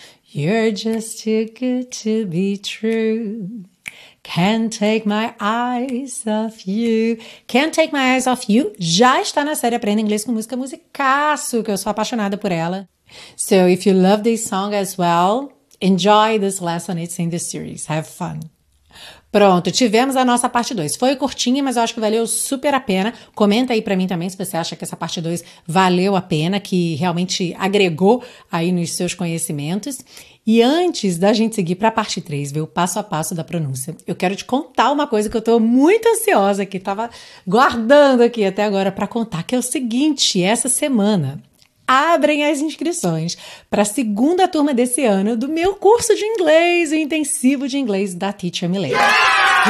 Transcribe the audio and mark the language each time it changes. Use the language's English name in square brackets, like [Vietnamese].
[English] You're just too good to be true. Can't take my eyes off you. Can't take my eyes off you [Portuguese] já está na série Aprenda Inglês com Música Musicaço, que eu sou apaixonada por ela. [English] So if you love this song as well, enjoy this lesson, it's in the series. Have fun. [Portuguese] Pronto, tivemos a nossa parte 2. Foi curtinha, mas eu acho que valeu super a pena. Comenta aí pra mim também se você acha que essa parte 2 valeu a pena, que realmente agregou aí nos seus conhecimentos. E antes da gente seguir para a parte 3, ver o passo a passo da pronúncia, eu quero te contar uma coisa que eu tô muito ansiosa, que tava guardando aqui até agora para contar, que é o seguinte, essa semana abrem as inscrições para a segunda turma desse ano do meu curso de inglês, o intensivo de inglês da Teacher Milena. Yeah!